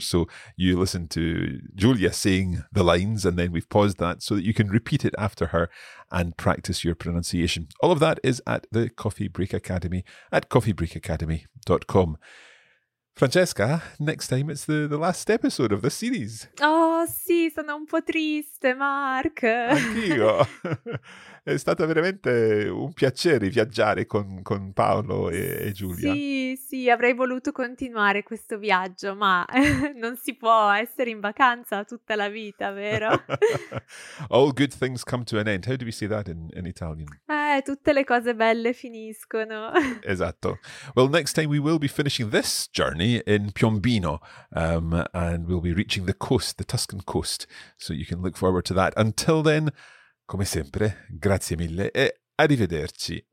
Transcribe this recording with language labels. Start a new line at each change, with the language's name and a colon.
English: So you listen to Giulia saying the lines and then we've paused that so that you can repeat it after her and practice your pronunciation. All of that is at the Coffee Break Academy at coffeebreakacademy.com. Francesca, next time it's the last episode of the series.
Italian: Oh, sì, sono un po' triste, Mark. Anch'io. È stato veramente un piacere viaggiare con Paolo e Giulia. Sì, sì, avrei voluto continuare questo viaggio, ma non si può essere in vacanza tutta la vita, vero?
English: All good things come to an end. How do we say that in Italian?
Italian: tutte le cose belle finiscono. Esatto.
English: Well, next time we will be finishing this journey in Piombino, and we'll be reaching the coast, the Tuscan coast. So you can look forward to that. Until then,
Italian: come sempre, grazie mille e arrivederci.